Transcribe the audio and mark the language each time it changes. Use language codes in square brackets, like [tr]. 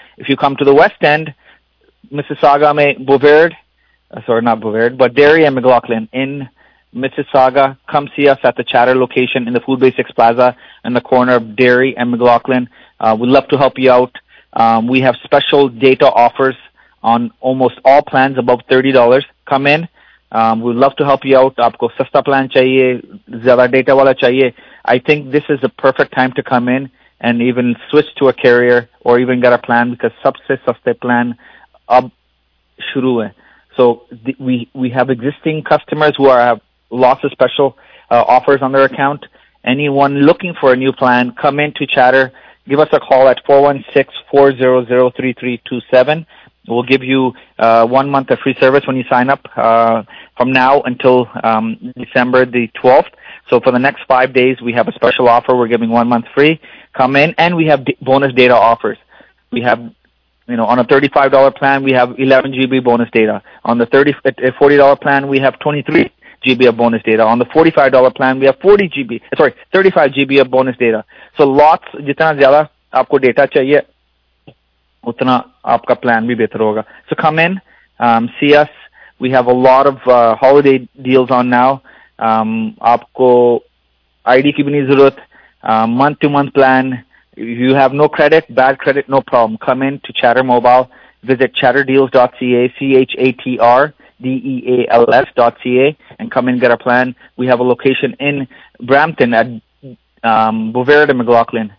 [en] If you come to the West End, Mississauga, Beauvais, sorry, not Beauvais, but Derry and McLaughlin in Mississauga, come see us at the Chatter location in the Food Basics Plaza in the corner of Derry and McLaughlin. We'd love to help you out. We have special data offers on almost all plans above $30. Come in. We'd love to help you out. [hi] आपको सस्ता plan चाहिए, ज़्यादा data वाला चाहिए। [en] I think this is the perfect time to come in and even switch to a carrier or even get a plan, because [hi] sabse saste plan ab shuru hai. [en] So we have existing customers who have lots of special offers on their account. Anyone looking for a new plan, come in to Chatter. Give us a call at 416-400-3327. We'll give you 1 month of free service when you sign up from now until December the 12th. So for the next 5 days, we have a special offer. We're giving 1 month free. Come in, and we have bonus data offers. We have, you know, on a $35 plan, we have 11 GB bonus data. On the $40 plan, we have 23 GB of bonus data. On the $45 plan, we have 35 GB of bonus data. So lots, [hi] जितना ज़्यादा आपको data चाहिए, उतना आपका plan भी better होगा। [en] So come in, see us. We have a lot of holiday deals on now. [hi] आपको ID की भी नहीं ज़रूरत। [en] Month-to-month plan. If you have no credit, bad credit, no problem. Come in to Chatter Mobile. Visit chatterdeals.ca, chatterdeals.ca, and come in, get a plan. We have a location in Brampton at Boverda McLaughlin.